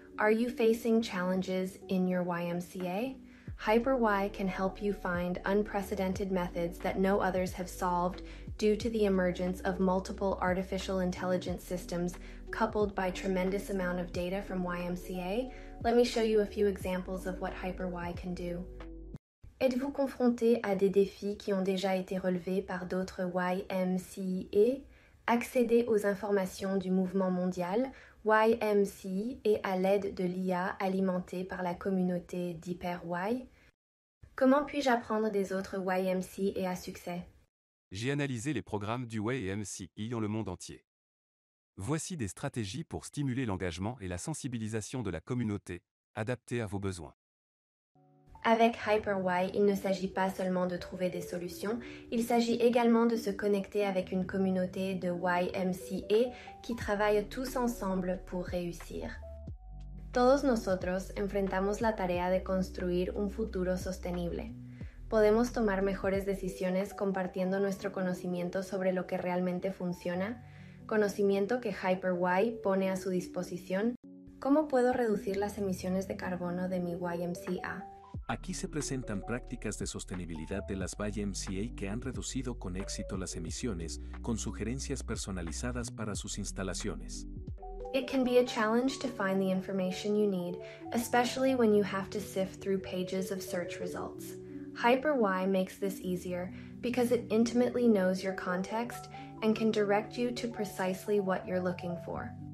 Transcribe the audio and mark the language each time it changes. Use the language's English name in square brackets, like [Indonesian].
[English] Are you facing challenges in your YMCA? HyperY can help you find unprecedented methods that no others have solved due to the emergence of multiple artificial intelligence systems coupled by tremendous amount of data from YMCA. Let me show you a few examples of what HyperY can do. [French] Êtes-vous confronté à des défis qui ont déjà été relevés par d'autres YMCA? Accéder aux informations du mouvement mondial, YMCA et à l'aide de l'IA alimentée par la communauté d'HyperY. Comment puis-je apprendre des autres YMCA et à succès? J'ai analysé les programmes du YMCA dans le monde entier. Voici des stratégies pour stimuler l'engagement et la sensibilisation de la communauté, adaptées à vos besoins. Avec HyperY, il ne s'agit pas seulement de trouver des solutions, il s'agit également de se connecter avec une communauté de YMCA qui travaillent tous ensemble pour réussir. [Spanish] Todos nosotros enfrentamos la tarea de construir un futuro sostenible. ¿Podemos tomar mejores decisiones compartiendo nuestro conocimiento sobre lo que realmente funciona? Conocimiento que HyperY pone a su disposición. ¿Cómo puedo reducir las emisiones de carbono de mi YMCA? Aquí se presentan prácticas de sostenibilidad de las YMCA que han reducido con éxito las emisiones, con sugerencias personalizadas para sus instalaciones. [English] It can be a challenge to find the information you need, especially when you have to sift through pages of search results. HyperY makes this easier because it intimately knows your context and can direct you to precisely what you're looking for.